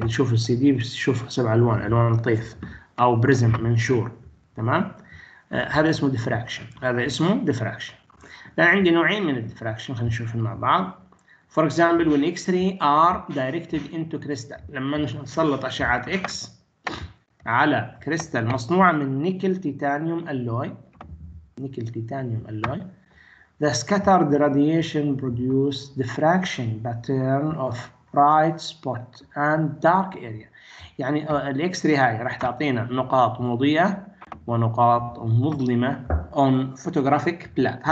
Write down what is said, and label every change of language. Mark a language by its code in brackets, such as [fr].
[ar] نشوف CD بيشوف 7 ألوان، ألوان طيف أو بريزم منشور، تمام؟ هذا اسمه diffraction، هذا اسمه diffraction. لأن عندي نوعين من diffraction، خلينا نشوف مع بعض. [en] For example when X-ray are directed into crystal، [ar] لما نسلط أشعة X على كريستال مصنوعة من نيكل تيتانيوم ألوي، [en] Nickel titanium alloy, the scattered radiation produce diffraction pattern of bright spot and dark area. [ar] يعني الإكسري هاي راح تعطينا نقاط مضيئة ونقاط مظلمة [en] on photographic plate.